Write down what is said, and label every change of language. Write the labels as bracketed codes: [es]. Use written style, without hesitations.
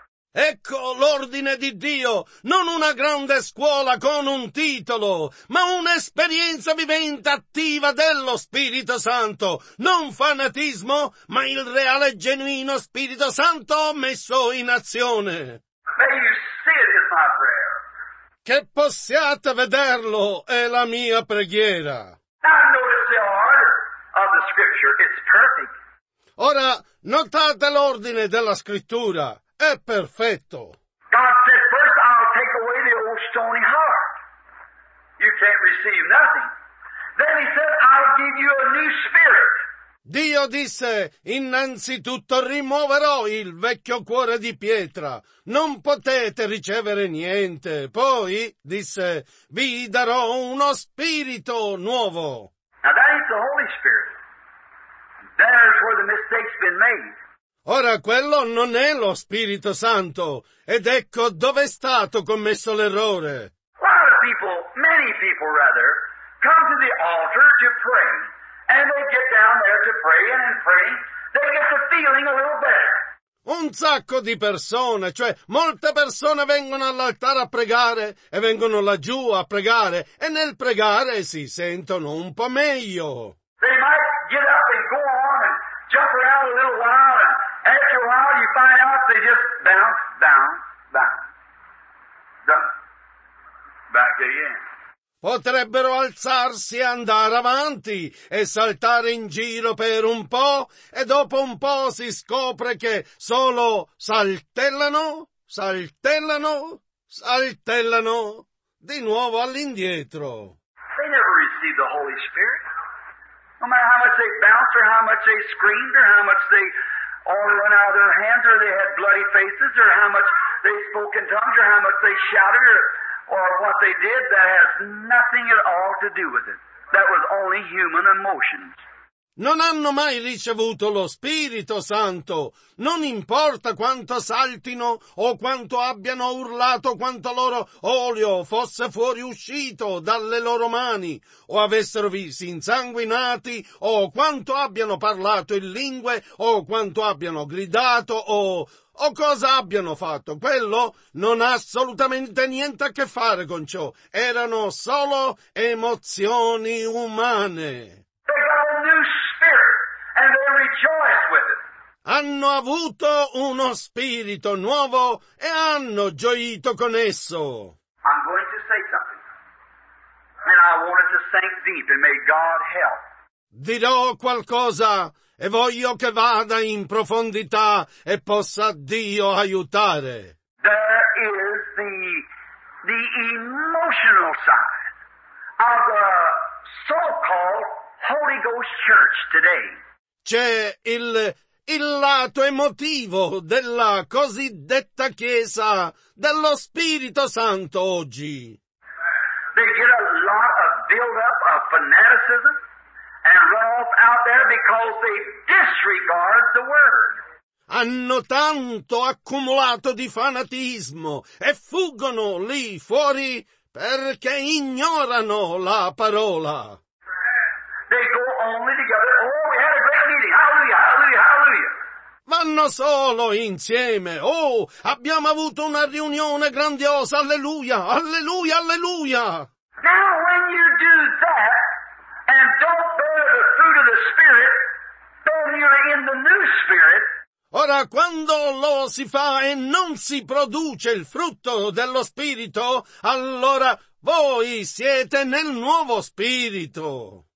[it] Ecco l'ordine di Dio, non una grande scuola con un titolo, ma un'esperienza vivente attiva dello Spirito Santo, non fanatismo, ma il reale e genuino Spirito Santo messo in azione. [en] May you see it, is my prayer. [it] Che possiate vederlo, è la mia preghiera. [en] Now notice the order of the scripture. is perfect. [it] Ora, notate l'ordine della scrittura. È perfetto. [en] God said, first I'll take away the old stony heart. You can't receive nothing. Then he said, I'll give you a new spirit. [it] Dio disse, innanzitutto rimuoverò il vecchio cuore di pietra. Non potete ricevere niente. Poi, disse, vi darò uno spirito nuovo. [en] Now that is the Holy Spirit. There's where the mistake's been made. [it] Ora, quello non è lo Spirito Santo. Ed ecco dove è stato commesso l'errore. [en] A lot of people, many people rather, come to the altar to pray. And they get down there to pray, and in praying, they get the feeling a little better. [it] Un sacco di persone, cioè molte persone vengono all'altare a pregare e vengono laggiù a pregare, e nel pregare si sentono un po' meglio. [en] They might get up and go on and jump around a little while, and after a while you find out they just bounce, bounce, bounce. Done. Back again. [it] Potrebbero alzarsi e andare avanti e saltare in giro per un po', e dopo un po' si scopre che solo saltellano, saltellano, saltellano, di nuovo all'indietro. [en] They never received the Holy Spirit. No matter how much they bounced or how much they screamed or how much they all run out of their hands or they had bloody faces or how much they spoke in tongues or how much they shouted or what they did, that has nothing at all to do with it. That was only human emotions. [it] Non hanno mai ricevuto lo Spirito Santo. Non importa quanto saltino o quanto abbiano urlato, quanto loro olio fosse fuori uscito dalle loro mani, o avessero visi insanguinati, o quanto abbiano parlato in lingue, o quanto abbiano gridato, o cosa abbiano fatto. Quello non ha assolutamente niente a che fare con ciò. Erano solo emozioni umane. [en] And they rejoice with it. [it] Hanno avuto uno spirito nuovo e hanno gioito con esso. [en] I'm going to say something. And I want it to sink deep and may God help. [it] Dirò qualcosa e voglio che vada in profondità e possa Dio aiutare. [en] There is the emotional side of the so-called Holy Ghost Church today. [it] C'è il lato emotivo della cosiddetta Chiesa dello Spirito Santo oggi. [en] They get a lot of build-up of fanaticism and run off out there because they disregard the Word. [it] Hanno tanto accumulato di fanatismo e fuggono lì fuori perché ignorano la parola. [en] They go only together. Hallelujah, hallelujah. [it] Vanno solo insieme. Oh, abbiamo avuto una riunione grandiosa. Alleluia, alleluia, alleluia. [en] Now when you do that and don't bear the fruit of the Spirit, then you're in the new Spirit. [it] Ora, quando lo si fa e non si produce il frutto dello Spirito, allora voi siete nel nuovo Spirito.